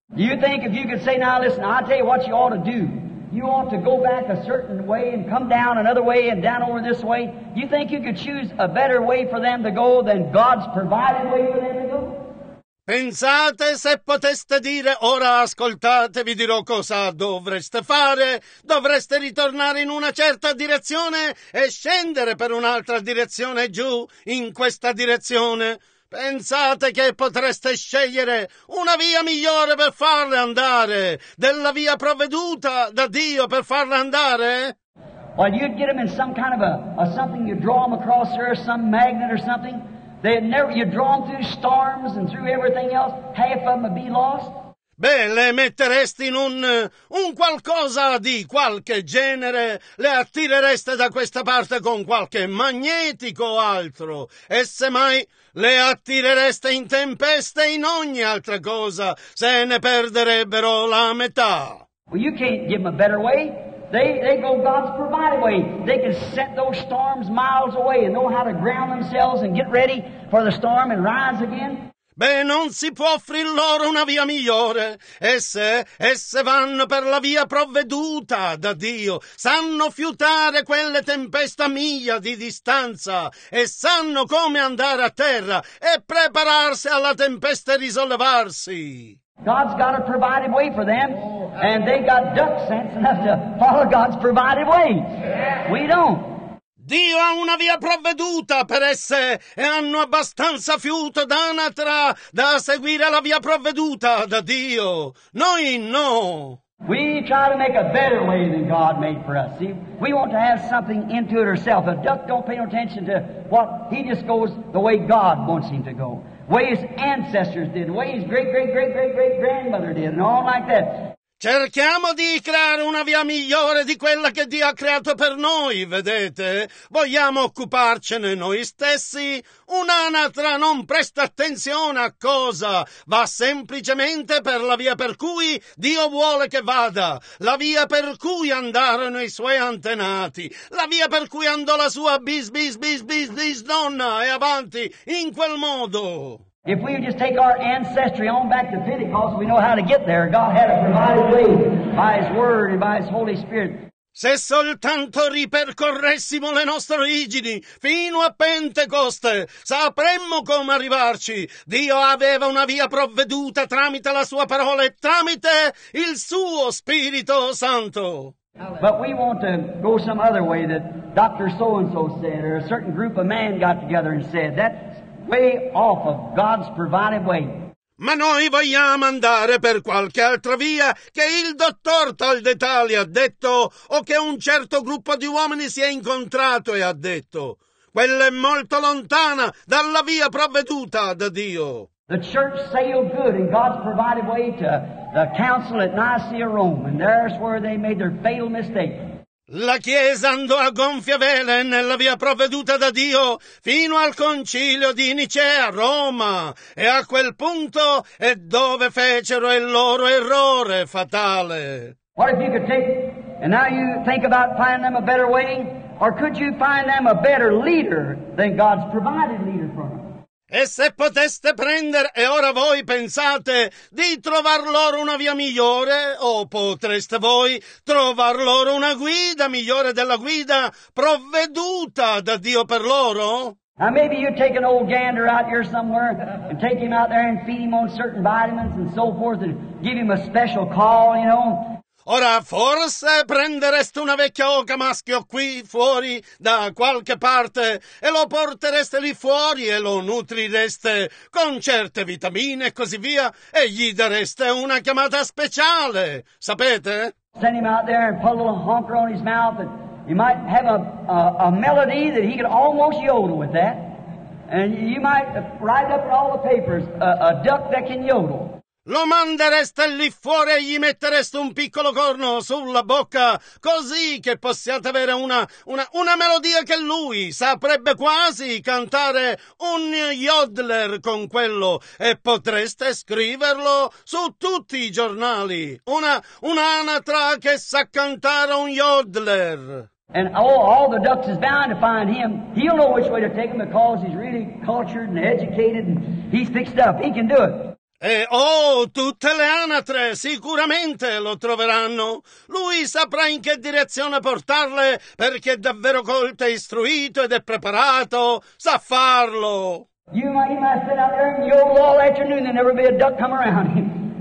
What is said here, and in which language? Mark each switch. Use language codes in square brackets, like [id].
[en] Do you think if you could say, now listen, I'll tell you what you ought to do. You ought to go back a certain way and come down another way and down over this way. You think you could choose a better way for them to go than God's provided way for them to go? [it] Pensate se poteste dire, ora ascoltate, vi dirò cosa dovreste fare. Dovreste ritornare in una certa direzione e scendere per un'altra direzione giù in questa direzione. Pensate che potreste scegliere una via migliore per farle andare, della via provveduta da Dio per farle andare? [en] Well, you'd get them in some kind of a something, you'd draw them across there, some magnet or something. You'd draw them through storms and through everything else, half of them would be lost. [it] Beh, le metteresti in un qualcosa di qualche genere, le attirereste da questa parte con qualche magnetico o altro, e semmai le attirereste in tempeste in ogni altra cosa, se ne perderebbero la metà. [en] Well, you can't give them a better way. They go God's provided way. They can set those storms miles away and know how to ground themselves and get ready for the storm and rise again. [it] Beh, non si può offrir loro una via migliore. Esse vanno per la via provveduta da Dio. Sanno fiutare quelle tempeste a miglia di distanza e sanno come andare a terra e prepararsi alla tempesta e risollevarsi. [en] God's got a provided way for them, and they got duck sense enough to follow God's provided way. We don't. [it] Dio ha una via provveduta per esse e hanno abbastanza fiuto d'anatra da seguire la via provveduta da Dio. Noi no. [en] We try to make a better way than God made for us. See, we want to have something into it ourselves. A duck don't pay no attention to what he just goes the way God wants him to go. Way his ancestors did, way his great-great-great-great-great-grandmother did, and all like that. [it] Cerchiamo di creare una via migliore di quella che Dio ha creato per noi, vedete? Vogliamo occuparcene noi stessi? Un'anatra non presta attenzione a cosa, va semplicemente per la via per cui Dio vuole che vada, la via per cui andarono i suoi antenati, la via per cui andò la sua bis-bis-bis-bis-bis-nonna e avanti in quel modo. [en] If we just take our ancestry on back to Pentecost, we know how to get there. God had a provided way by His Word and by His Holy Spirit. [it] Se soltanto ripercorressimo le nostre origini fino a Pentecoste, sapremmo come arrivarci. Dio aveva una via provveduta tramite la Sua parola e tramite il Suo Spirito Santo. [en] But we want to go some other way that Dr. So-and-so said, or a certain group of men got together and said, that. Way off of God's provided way. [it] Ma noi vogliamo andare per qualche altra via che il dottor tal dettagli ha detto o che un certo gruppo di uomini si è incontrato e ha detto. Quella è molto lontana dalla via provveduta da Dio. [en] The church sailed good in God's provided way to the council at Nicaea, Rome, and there's where they made their fatal mistake. [it] La Chiesa andò a gonfie vele nella via provveduta da Dio fino al concilio di Nicea, Roma, e a quel punto è dove fecero il loro errore fatale. [en] What if you could take, and now you think about finding them a better way, or could you find them a better leader than God's provided leader for them? [it] E se poteste prendere, e ora voi pensate di trovar loro una via migliore, o potreste voi trovar loro una guida migliore della guida provveduta da Dio per loro? [en] Now maybe you take an old gander out here somewhere and take him out there and feed him on certain vitamins and so forth and give him a special call, you know? [it] Ora, forse prendereste una vecchia oca maschio qui fuori da qualche parte e lo portereste lì fuori e lo nutrireste con certe vitamine e così via e gli dareste una chiamata speciale, sapete? [en] Send him out there and put a little honker on his mouth and you might have a melody that he could almost yodel with that. And you might write up in all the papers a duck that can yodel. [it] Lo mandereste lì fuori e gli mettereste un piccolo corno sulla bocca, così che possiate avere una melodia che lui saprebbe quasi cantare, un yodler con quello, e potreste scriverlo su tutti i giornali. Un'anatra che sa cantare un yodler. [en] And all the ducks is bound to find him. He'll know which way to take him because he's really cultured and educated and he's fixed up. He can do it. [it] E oh, tutte le anatre sicuramente lo troveranno. Lui saprà in che direzione portarle perché è davvero colto e istruito ed è preparato. Sa farlo. [en] You might sit out there and yodel all afternoon and never be a duck come around him.